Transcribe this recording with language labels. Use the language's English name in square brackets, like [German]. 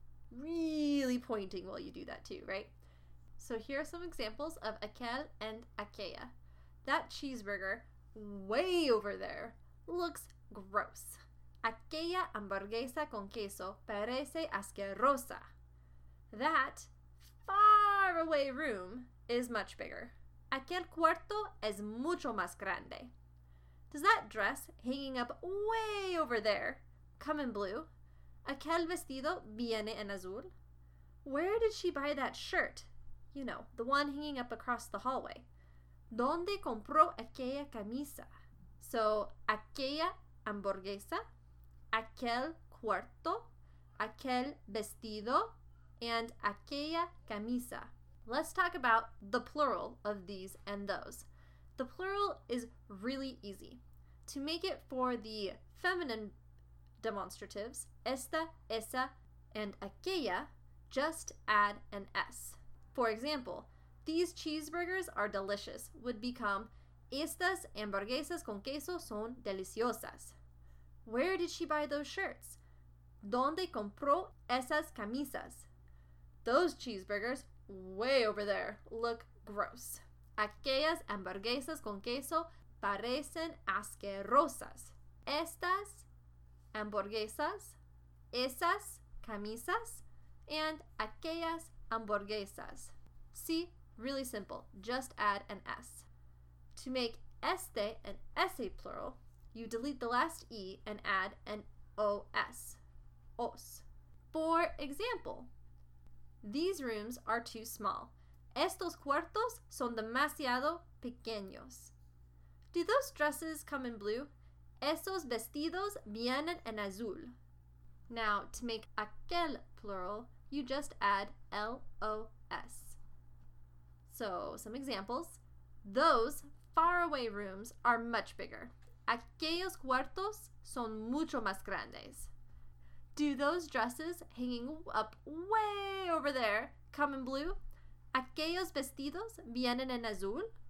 [English] Really pointing while you do that too, right? So here are some examples of aquel and aquella. That cheeseburger way over there looks gross. [Spanish] Aquella hamburguesa con queso parece asquerosa. [English] That far away room is much bigger. [Spanish] Aquel cuarto es mucho más grande. [English] Does that dress hanging up way over there come in blue? [Spanish] Aquel vestido viene en azul? [English] Where did she buy that shirt? You know, the one hanging up across the hallway. [Spanish] ¿Dónde compró aquella camisa? So, aquella hamburguesa, aquel cuarto, aquel vestido, and aquella camisa. [English] Let's talk about the plural of these and those. The plural is really easy. To make it for the feminine demonstratives, esta, esa, and aquella, just add an S. For example, these cheeseburgers are delicious would become [Spanish] estas hamburguesas con queso son deliciosas. [English] Where did she buy those shirts? [Spanish] ¿Dónde compró esas camisas? [English] Those cheeseburgers way over there look gross. [Spanish] Aquellas hamburguesas con queso parecen asquerosas. Estas hamburguesas, esas camisas, and aquellas hamburguesas. [English] See, really simple, just add an S. To make este an ese plural, you delete the last E and add an OS, os. For example, these rooms are too small. [Spanish] Estos cuartos son demasiado pequeños. [English] Do those dresses come in blue? [Spanish] Esos vestidos vienen en azul. [English] Now, to make aquel plural, you just add L-O-S. So, some examples. Those faraway rooms are much bigger. [Spanish] Aquellos cuartos son mucho más grandes. [English] Do those dresses hanging up way over there come in blue? [Spanish] Aquellos vestidos vienen en azul.